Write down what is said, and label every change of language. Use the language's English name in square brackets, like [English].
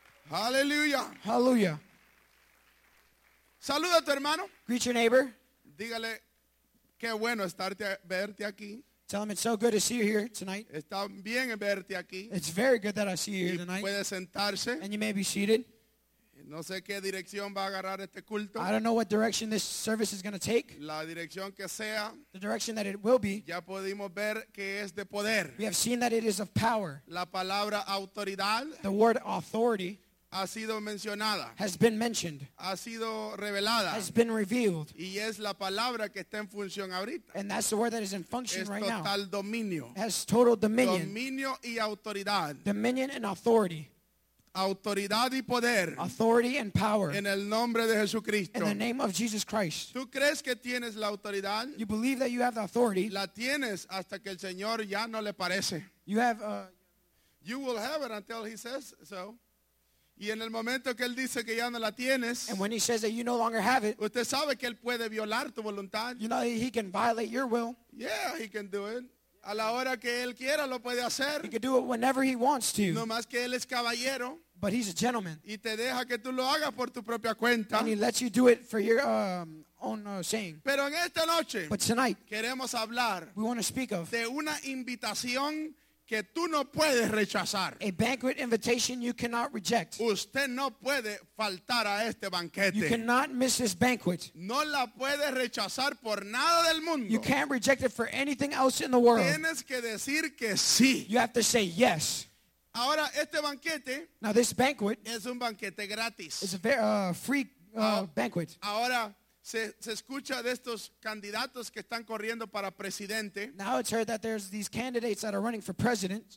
[English] Hallelujah. Hallelujah. [Spanish] Saluda a tu hermano. [English] Greet your neighbor. [Spanish] Dígale qué bueno estarte verte aquí. [English] Tell him it's so good to see you here tonight. [Spanish] Está bien verte aquí. [English] It's very good that I see you here tonight. [Spanish] Puede sentarse. [English] And you may be seated. [Spanish] No sé qué dirección va a agarrar este culto. [English] I don't know what direction this service is going to take. [Spanish] La dirección que sea. [English] The direction that it will be. [Spanish] Ya pudimos ver que es de poder. [English] We have seen that it is of power. [Spanish] La palabra autoridad. [English] The word authority. [Spanish] Ha sido mencionada. [English] Has been mentioned. [Spanish] Ha sido revelada. [English] Has been revealed. [Spanish] Y es la palabra que está en función ahorita. [English] And that's the word that is in function [Spanish] es [English] right now. [Spanish] Es total dominio. [English] Has total dominion. [Spanish] Dominio y autoridad. [English] Dominion and authority. [Spanish] Autoridad y poder. [English] Authority and power. [Spanish] En el nombre de Jesucristo. [English] In the name of Jesus Christ. [Spanish] ¿Tú crees que tienes la autoridad? [English] You believe that you have the authority. [Spanish] La tienes hasta que el Señor ya no le parece. [English] You have you will have it until he says so. [Spanish] Y en el momento que él dice que ya no la tienes, [English] and when he says that you no longer have it, [Spanish] usted sabe que él puede violar tu voluntad. [English] You know he can violate your will. Yeah, he can do it. [Spanish] A la hora que él quiera lo puede hacer. [English] He can do it whenever he wants to. [Spanish] No más que él es caballero. [English] But he's a gentleman. [Spanish] Y te deja que tú lo hagas por tu propia cuenta. [English] And he lets you do it for your own saying. [Spanish] Pero en esta noche, [English] but tonight, [Spanish] queremos hablar, [English] we want to speak of, [Spanish] de una invitación que tú no puedes rechazar. [English] A banquet invitation you cannot reject. [Spanish] Usted no puede faltar a este banquete. [English] You cannot miss this banquet. [Spanish] No la puedes rechazar por nada del mundo. [English] You can't reject it for anything else in the world. [Spanish] Tienes que decir que sí. [English] You have to say yes. [Spanish] Ahora este banquete, [English] now this banquet, [Spanish] es un banquete gratis. [English] It's a free banquet. [Spanish] Ahora se escucha de estos candidatos que están corriendo para presidente. [English] Now it's heard that there's these candidates that are running for president.